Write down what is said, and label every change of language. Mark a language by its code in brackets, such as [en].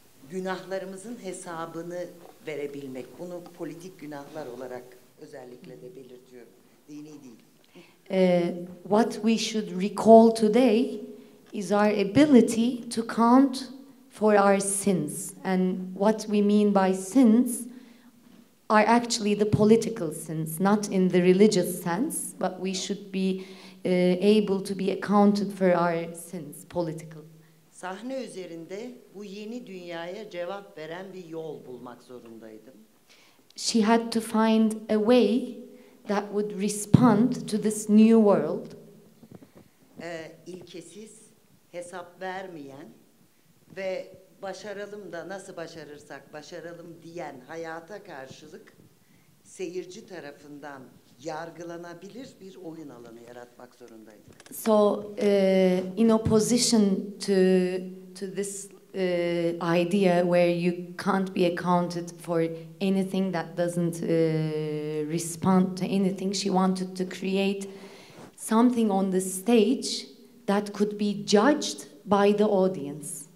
[tr] günahlarımızın hesabını verebilmek, bunu politik günahlar olarak özellikle de belirtiyorum, dini değil. [en] What we should recall today is our ability to count for our sins. And what we mean by sins are actually the political sins, not in the religious sense, but we should be able to be accounted for our sins, political. [tr] Sahne üzerinde bu yeni dünyaya cevap veren bir yol bulmak zorundaydım. [en] She had to find a way that would respond to this new world. [tr] İlkesiz, hesap vermeyen ve başaralım da nasıl başarırsak başaralım diyen hayata karşılık seyirci tarafından yargılanabilir bir oyun alanı yaratmak zorundaydık. [en] So in opposition to this idea where you can't be accounted for anything that doesn't respond to anything, she wanted to create something on the stage that could be judged by the audience.